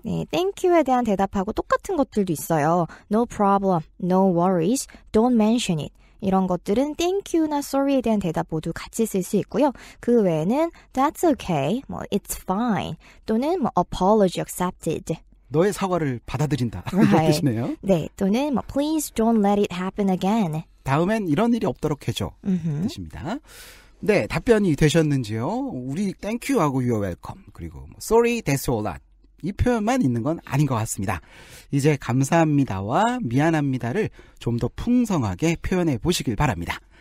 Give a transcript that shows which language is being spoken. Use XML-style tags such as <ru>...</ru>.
<en>네, thank you에</en> <ko>대한 대답하고 똑같은 것들도 있어요.</ko> <en>No problem, no worries, don't mention it.</en> <ko>이런 것들은 thank you나 sorry에 대한 대답 모두 같이 쓸 수 있고요. 그 외에는</ko> <en>that's okay, 뭐 it's fine, 또는 뭐 apology accepted.</en> <ko>너의 사과를 받아들인다. 그러시네요.</ko> <en>Right. 네,</en> <ko>또는 뭐</ko> <en>please don't let it happen again.</en> <ko>다음엔 이런 일이 없도록 해줘. 뜻입니다. 네, 답변이 되셨는지요?</ko> <en>우리 thank you하고 you're welcome,</en> <ko>그리고 뭐</ko> <en>sorry, that's all that.</en> <ko>이 표현만 있는 건 아닌 것 같습니다. 이제 감사합니다와 미안합니다를 좀 더 풍성하게 표현해 보시길 바랍니다.</ko>